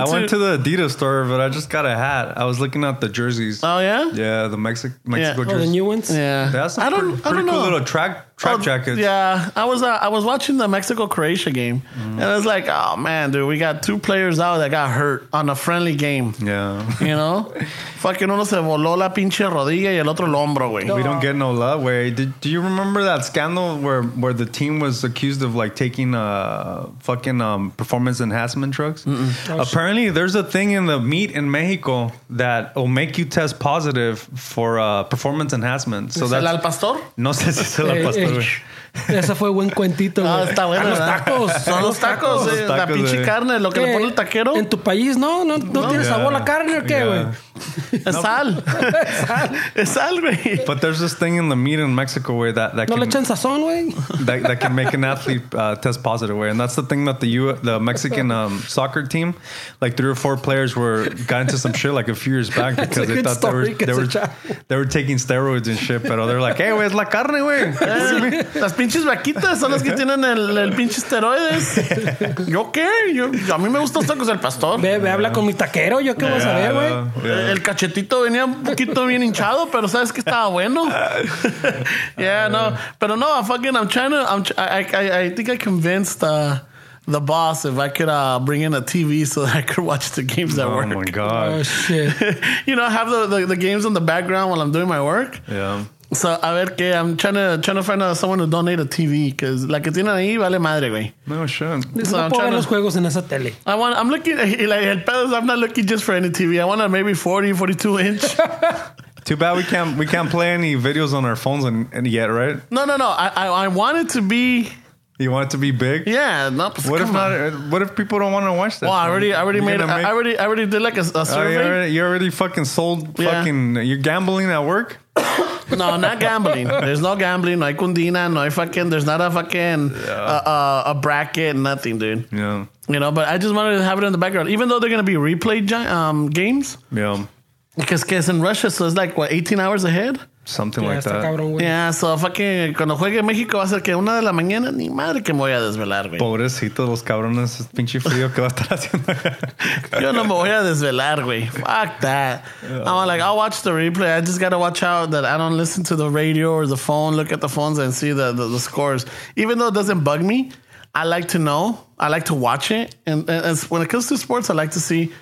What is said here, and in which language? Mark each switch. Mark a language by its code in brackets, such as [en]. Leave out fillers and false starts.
[en] I went to the Adidas store, but I just got a hat. I was looking at the jerseys. Oh yeah, yeah, the Mexico yeah. jerseys. Oh, the new ones. Yeah, that's a pretty cool little track jackets. Yeah, I was watching the Mexico Croatia game, and I was like, oh man, dude, we got two players out that got hurt on a friendly game. Yeah, you know. [es] Fucking uno se voló la pinche rodilla y el otro el hombro, güey. [en] We don't get no love, güey. Do you remember that scandal where the team was accused of, like, taking fucking performance enhancement drugs? Mm-mm. Apparently, there's a thing in the meat in Mexico that will make you test positive for performance enhancement. So [es] ¿Es el al pastor? No sé si es el al pastor, güey. Ese fue buen cuentito. Ah, está bueno. Los tacos. Son los tacos. La pinche carne, lo que le pone el taquero. En tu país, ¿no? ¿No tiene sabor la carne o qué, güey? Sal. Es sal, güey. [en] But there's this thing in the meat in Mexico, güey, that [es] no le echan sazón, güey. [en] That can make an athlete test positive, güey. And that's the thing that the Mexican soccer team, like 3 or 4 players got into some shit like a few years back because they thought they were taking steroids and shit. But they're like, hey, güey, [es] es la carne, güey. Las pinches vaquitas son las que tienen el pinche esteroides. ¿Yo qué? A mí me gusta estar con el pastor. Ve, habla con mi taquero. ¿Yo qué voy a saber, güey? El cachetito venía un poquito bien hinchado, pero ¿sabes que estaba bueno? [en] Yeah, no. [es] Pero no, [en] I think I convinced the boss if I could bring in a TV so that I could watch the games at work. Oh, my God. Oh, shit. You know, I have the games in the background while I'm doing my work. Yeah. So, [es] a ver que [en] I'm trying to find someone to donate a TV, because [es] la que tienen ahí vale madre, güey. [en] No, sure. So no I'm trying [es] los juegos en esa tele. [en] I'm looking, like, [es] el pedo [en] is I'm not looking just for any TV. I want a maybe 40, 42 inch. Too bad we can't play any videos on our phones and yet, right? No. I want it to be. You want it to be big? Yeah. Not. What if not? What if people don't want to watch this? Well, I already did like a survey. You already fucking sold fucking. Yeah. You're gambling at work. No, not gambling. There's no gambling. No kundina. No fucking. There's not a fucking a bracket. Nothing, dude. Yeah. You know, but I just wanted to have it in the background, even though they're gonna be replay games. Yeah. Because in Russia, so it's like, what, 18 hours ahead? Something like that. [es] Cabrón, [en] yeah, so fucking, [es] cuando juegue México, va a ser que una de la mañana, ni madre que me voy a desvelar, güey. Pobrecito, los cabrones, es pinche frío que va a estar haciendo. Yo no me voy a desvelar, güey. [en] Fuck that. Yeah. I'm like, I'll watch the replay. I just got to watch out that I don't listen to the radio or the phone, look at the phones and see the scores. Even though it doesn't bug me, I like to know. I like to watch it. And as when it comes to sports, I like to see.